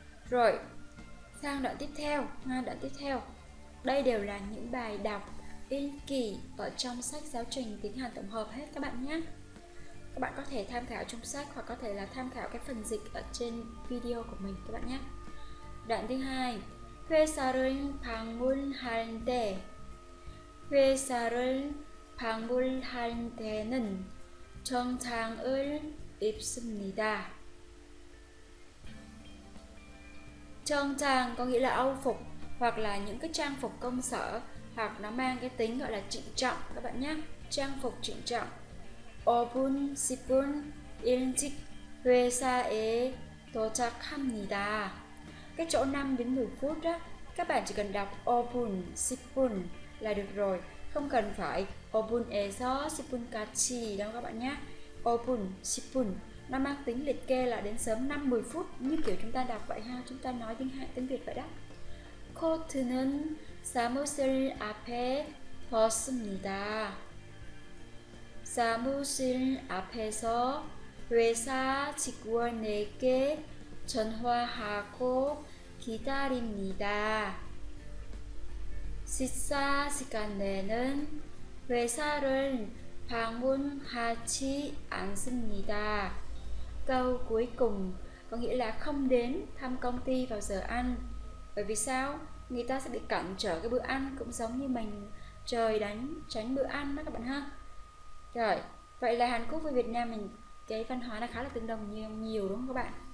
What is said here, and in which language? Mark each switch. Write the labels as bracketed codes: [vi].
[vi] Rồi sang đoạn tiếp theo ha. Đoạn tiếp theo đây đều là những bài đọc in kỳ ở trong sách giáo trình tiếng Hàn tổng hợp hết các bạn nhé. Các bạn có thể tham khảo trong sách hoặc có thể là tham khảo cái phần dịch ở trên video của mình các bạn nhé. Đoạn thứ hai, [ko] 회사를 방문할 때, 회사를 방문할 때는 정장을 입습니다. [vi] 정장 có nghĩa là âu phục hoặc là những cái trang phục công sở, hoặc nó mang cái tính gọi là trịnh trọng các bạn nhé, trang phục trịnh trọng. [ko] 5분, 10분 일찍 회사에 도착합니다. [vi] Cái chỗ 5 đến 10 phút đó, các bạn chỉ cần đọc 5분, 10분 là được rồi, không cần phải 5분에서 10분까지 đâu các bạn nhé. 5분, 10분 nó mang tính liệt kê là đến sớm 5-10 phút, như kiểu chúng ta đọc vậy ha, chúng ta nói tiếng Việt vậy đó. [ko] 코트는 사무실 앞에 벗습니다. 사무실 앞에서 회사 직원에게 전화하고 기다립니다. 식사 시간에는 회사를 방문하지 않습니다. [vi] Câu cuối cùng có nghĩa là không đến thăm công ty vào giờ ăn. Bởi vì sao? Người ta sẽ bị cản trở cái bữa ăn, cũng giống như mình trời đánh tránh bữa ăn đó các bạn ha. Rồi, vậy là Hàn Quốc với Việt Nam mình cái văn hóa là khá là tương đồng nhiều đúng không các bạn?